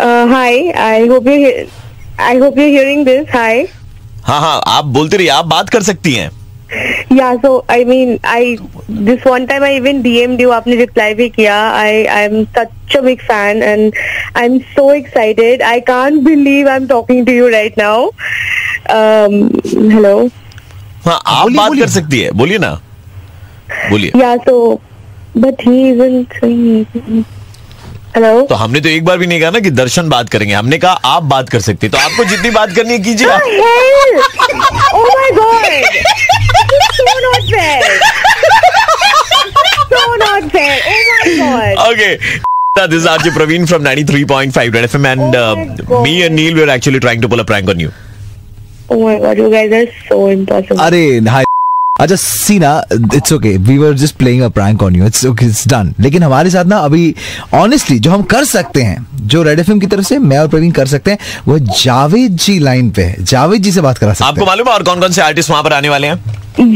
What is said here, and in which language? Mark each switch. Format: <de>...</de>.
<en>Hi, I hope you hearing this. Hi,</en> <hi>हाँ आप बोलते रहिए, आप बात कर सकती हैं।</hi> <en>Yeah, so I mean, this one time I even DM'd you,</en> <hi>आपने रिप्लाई भी किया।</hi> <en>I'm such a big fan and I'm so excited. I can't believe I'm talking to you right now. Hello.</en> <hi>हाँ, आप बात कर सकती है, बोलिए ना, बोलिए।</hi> <en>Yeah, so but he isn't saying hello.</en> <hi>तो हमने तो एक बार भी नहीं कहा ना कि दर्शन बात करेंगे, हमने कहा आप बात कर सकती है, तो आपको जितनी बात करनी है कीजिए।</hi> <en>Oh hell! Oh my God! This is RJ Praveen from 93.5 Red FM and me and Neil, we're actually trying to pull a prank on you. Oh my God, you guys are so impossible. Arey, hi. अच्छा सीना, it's okay, we were just playing a prank on you, it's okay, it's done.</en> <hi>लेकिन हमारे साथ ना अभी honestly जो हम कर सकते हैं, जो रेड एफएम की तरफ से मैं और प्रवीण कर सकते हैं, वो जावेद जी लाइन पे है, जावेद जी से बात करा सकते हैं। आपको मालूम है और कौन कौन से आर्टिस्ट वहां पर आने वाले हैं?</hi>